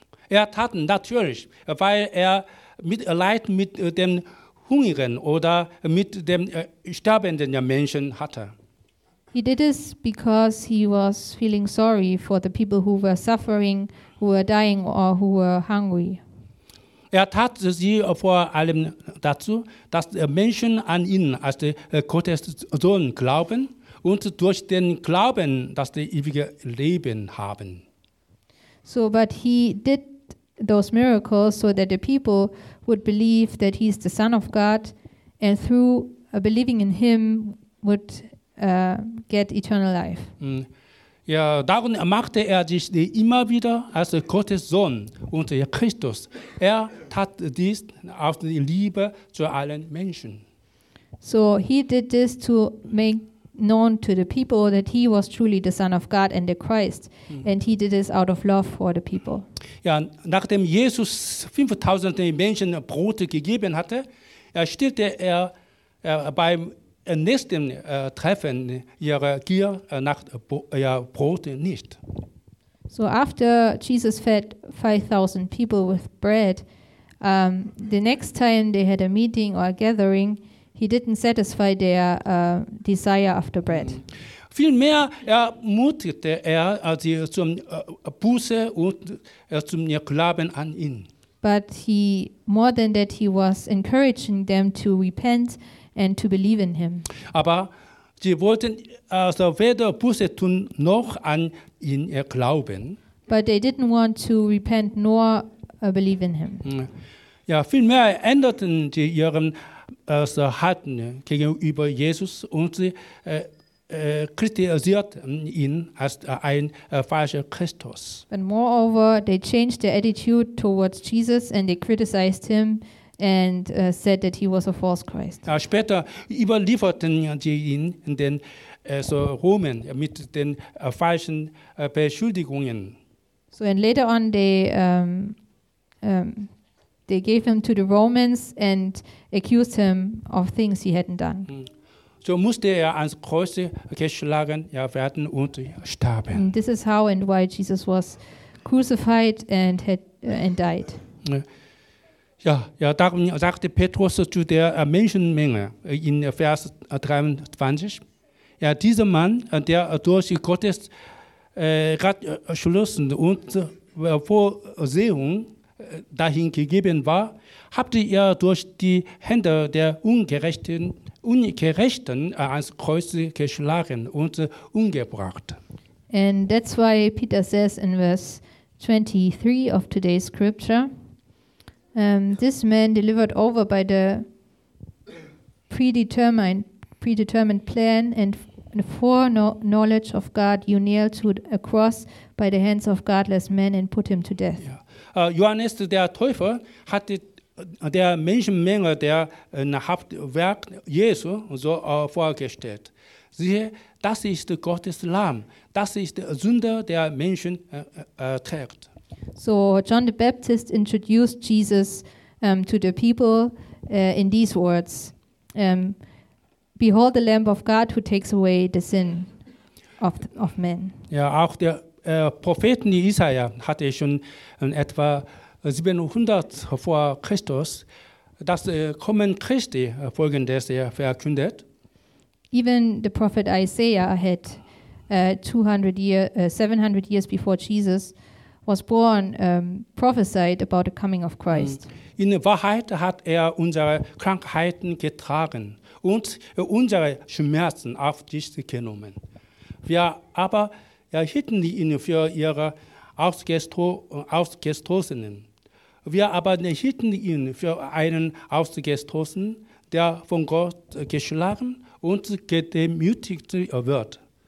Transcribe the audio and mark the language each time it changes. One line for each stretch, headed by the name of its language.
German: Tat natürlich, weil Mitleid mit den Hungrigen oder mit den sterbenden Menschen hatte.
English: He did this because he was feeling sorry for the people who were suffering, who were dying or who were hungry.
German: Er tat sie vor allem dazu, dass der Menschen an ihn als der Gottes Sohn glauben und durch den Glauben, dass die ewige Leben haben.
English: So, but he did those miracles so that the people would believe that he is the Son of God and through believing in him would get eternal life.
German: Ja, darum machte er sich immer wieder als Gottes Sohn und Christus. Er tat dies aus Liebe zu allen Menschen.
English: So he did this to make known to the people that he was truly the Son of God and the Christ. And he did this out of love for the people.
German: Ja, nachdem Jesus 5000 Menschen Brot gegeben hatte, stillte er beim nächsten Treffen ihre Gier nach Brot nicht.
English: So after Jesus fed 5000 people with bread, the next time they had a meeting or a gathering, he didn't satisfy their desire after bread.
German: Vielmehr ermutigte er sie zum Buße und zum Glauben an ihn.
English: But he, more than that, he was encouraging them to repent and to believe in him.
German: Aber sie wollten also weder Buße tun noch an ihn glauben.
English: But they didn't want to repent nor believe in him.
German: Ja, vielmehr änderten sie ihren Haltung gegenüber Jesus und sie kritisierten ihn als ein falscher Christus.
English: And moreover, they changed their attitude towards Jesus and they criticized him and said that he was a false Christ.
German: Später überlieferten sie ihn in den Römern mit den falschen Beschuldigungen.
English: So and later on they gave him to the Romans and accused him of things he hadn't done.
German: So musste er ans Kreuz geschlagen werden und sterben.
English: And this is how and why Jesus was crucified and had and died.
German: Ja, darum sagte Petrus zu der Menschenmenge in Vers 23, ja, dieser Mann, der durch Gottes Ratschluss und Vorsehung dahin gegeben war, habt ihr durch die Hände der Ungerechten ans Kreuz geschlagen und umgebracht.
English: And that's why Peter says in verse 23 of today's scripture, this man delivered over by the predetermined plan and foreknowledge of God, you nailed to a cross by the hands of godless men and put him to death. Yeah.
German: Johannes der Täufer hatte der Menschenmenge der Hauptwerk Jesu so vorgestellt. Siehe, das ist Gottes Lamm, das ist der Sünde der Menschen trägt.
English: So John the Baptist introduced Jesus to the people in these words. Behold the Lamb of God who takes away the sin of men.
German: Ja, auch der Propheten Isaiah hatte schon etwa 700 vor Christus das Kommen Christi folgendes verkündet.
English: Even the prophet Isaiah had 700 years before Jesus was born, prophesied about the coming of Christ.
German: In Wahrheit hat unsere Krankheiten getragen und unsere Schmerzen auf sich genommen. Wir aber hielten ihn für ihre Ausgestoßenen. Wir aber hielten ihn für einen Ausgestoßenen, der von Gott geschlagen und gedemütigt wird.